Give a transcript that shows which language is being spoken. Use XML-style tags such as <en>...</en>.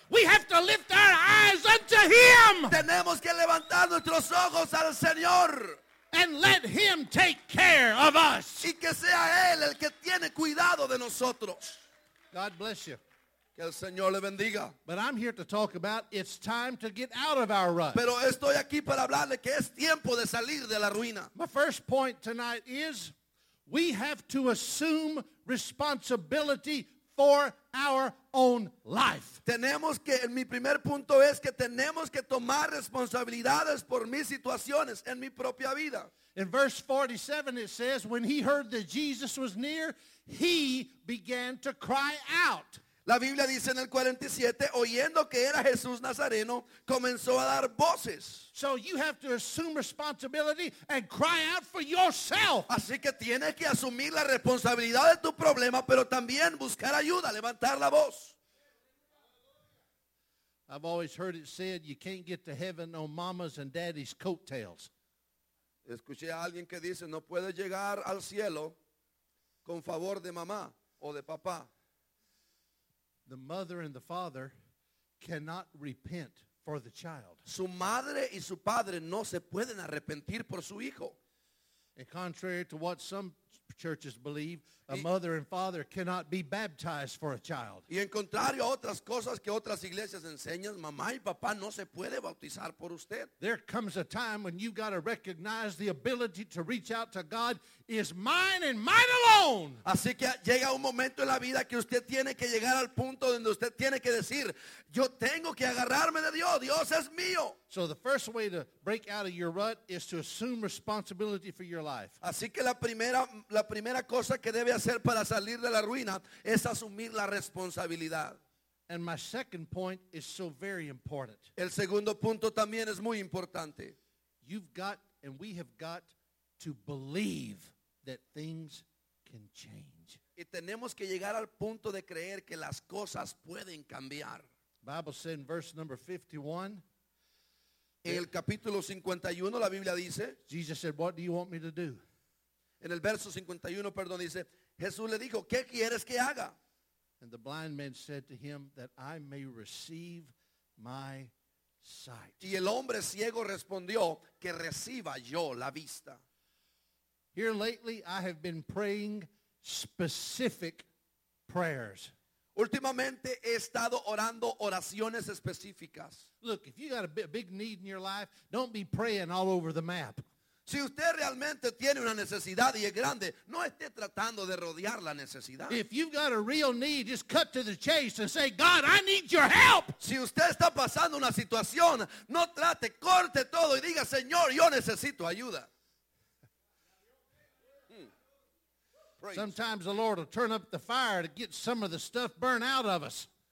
<en>We have to lift our eyes unto him.</en> <es>Tenemos que levantar nuestros ojos al Señor.</es> <en>And let him take care of us.</en> <es>Y que sea él el que tiene cuidado de nosotros.</es> <en>God bless you.</en> <es>Que el Señor le bendiga.</es> <en>But I'm here to talk about it's time to get out of our rut.</en> <es>Pero estoy aquí para hablarle que es tiempo de salir de la ruina.</es> <en>My first point tonight is we have to assume responsibility for our own life.</en> <es>Tenemos que, mi primer punto es que tenemos que tomar responsabilidades por mis situaciones en mi propia vida.</es> <en>In verse 47 it says, when he heard that Jesus was near, he began to cry out.</en> <es>La Biblia dice en el 47, oyendo que era Jesús Nazareno, comenzó a dar voces.</es> <en>So you have to assume responsibility and cry out for yourself.</en> <es>Así que tienes que asumir la responsabilidad de tu problema, pero también buscar ayuda, levantar la voz.</es> <en>I've always heard it said, you can't get to heaven on mama's and daddy's coattails.</en> <es>Escuché a alguien que dice, no puedes llegar al cielo con favor de mamá o de papá.</es> <en>The mother and the father cannot repent for the child.</en> <es>Su madre y su padre no se pueden arrepentir por su hijo.</es> <en>And contrary to what some churches believe, a mother and father cannot be baptized for a child.</en> <es>Y en contrario a otras cosas que otras iglesias enseñan, mamá y papá no se puede bautizar por usted.</es> <en>There comes a time when you got to recognize the ability to reach out to God is mine and mine alone.</en> <es>Así que llega un momento en la vida que usted tiene que llegar al punto donde usted tiene que decir, yo tengo que agarrarme de Dios, Dios es mío.</es> <en>So the first way to break out of your rut is to assume responsibility for your life.</en> <es>Así que la primera cosa que debe hacer para salir de la ruina es asumir la responsabilidad.</es> <en>And my second point is so very important.</en> <es>El segundo punto también es muy importante.</es> <en>You've got and we have got to believe that things can change.</en> <es>Y tenemos que llegar al punto de creer que las cosas pueden cambiar.</es> <en>Bible says in verse number 51.</en> <es>En el capítulo 51 la Biblia dice,</es> <en>Jesus said, what do you want me to do?</en> <es>En el verso 51, perdón, dice, Jesús le dijo, ¿qué quieres que haga?</es> <en>And the blind man said to him, that I may receive my sight.</en> <es>Y el hombre ciego respondió, que reciba yo la vista.</es> <en>Here lately I have been praying specific prayers.</en> <es>Últimamente he estado orando oraciones específicas.</es> <en>Look, if you got a big need in your life, don't be praying all over the map.</en> <es>Si usted realmente tiene una necesidad y es grande, no esté tratando de rodear la necesidad.</es> <en>If you've got a real need, just cut to the chase and say, God, I need your help.</en> <es>Si usted está pasando una situación, no trate, corte todo y diga, Señor, yo necesito ayuda.</es> <en>Sometimes the Lord will turn up the fire to get some of the stuff burned out of us.</en>